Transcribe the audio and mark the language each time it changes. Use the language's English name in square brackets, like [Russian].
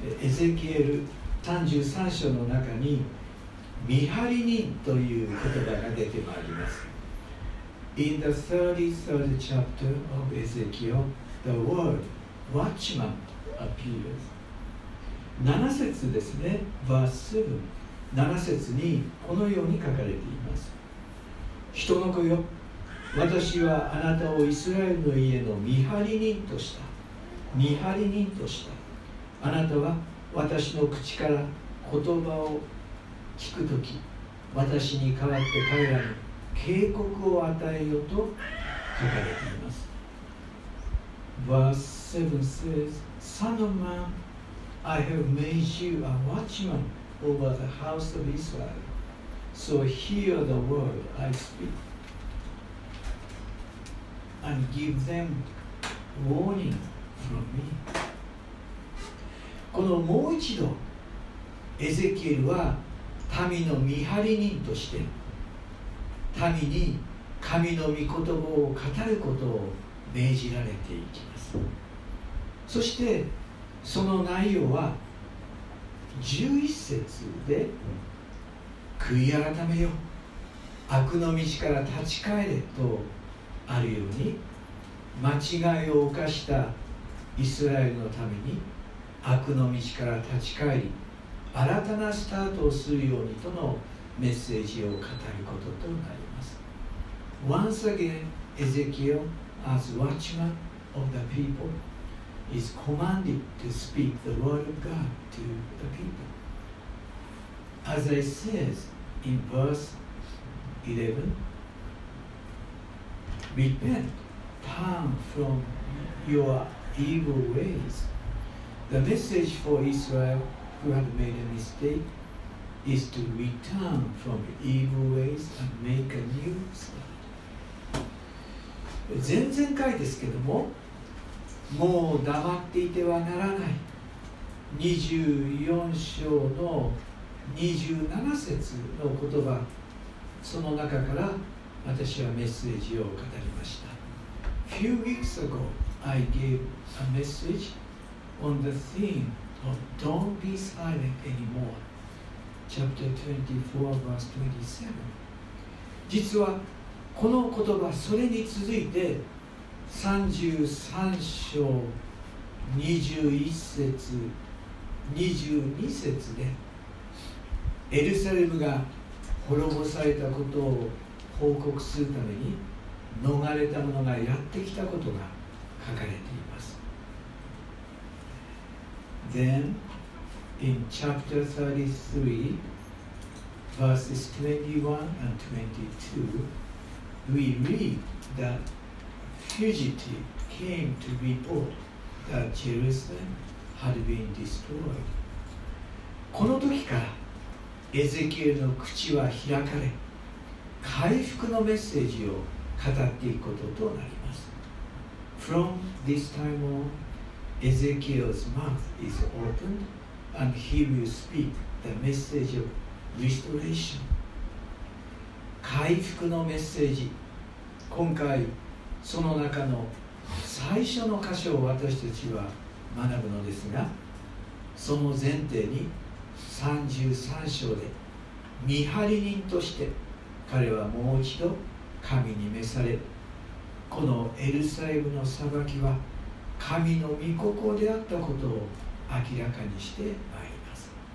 [Japanese] エゼキエル33章の中に見張り人という言葉が出てまいります。 [English] In the 33rd chapter of Ezekiel, the word watchman appears. [Japanese] 7節ですね、 [English] verse 7、 [Japanese] 7節にこのように書かれています。人の子よ、私はあなたをイスラエルの家の見張り人とした。見張り人としたあなたは私の口から言葉を聞くとき、私に代わって彼らに警告を与えよと書かれています。 [English] Verse 7 says, Son of man, I have made you a watchman over the house of Israel. So hear the word I speak and give them warning from me. [Japanese] このもう一度エゼキエルは民の見張り人として民に神の御言葉を語ることを命じられていきます。そしてその内容は11節で、悔い改めよ、悪の道から立ち返れとあるように、間違いを犯したイスラエルのために悪の道から立ち返り、新たなスタートをするようにとのメッセージを語ることとなります。 [English] Once again, Ezekiel, as watchman of the people, is commanded to speak the word of God to the people. As I says in verse 11, Repent, turn from your evil ways. The message for Israel who had made a mistake is to return from evil ways and make a new start. [Japanese] 前々回ですけども、もう黙っていてはならない。 24章の27節の言葉、その中から私はメッセージを語りました。 [English] Few weeks ago, I gave a message. On the theme of Don't Be Silent Anymore, chapter 24, verse 27. [Japanese] 実はこの言葉、それに続いて33章21節、22節でエルサレムが滅ぼされたことを報告するために逃れた者がやってきたことが書かれています。 [English] Then, in chapter 33, verses 21 and 22, we read that fugitive came to report that Jerusalem had been destroyed. [Japanese] この時からエゼキエルの口は開かれ、回復のメッセージを語っていくこととなります。 [English] From this time on,Ezekiel's mouth is opened and he will speak the message of restoration. [Japanese] 回復のメッセージ。今回その中の最初の箇所を私たちは学ぶのですが、その前提に33章で見張り人として彼はもう一度神に召され、このエルサレムの裁きは神の御心であったことを明らかにしてまいります。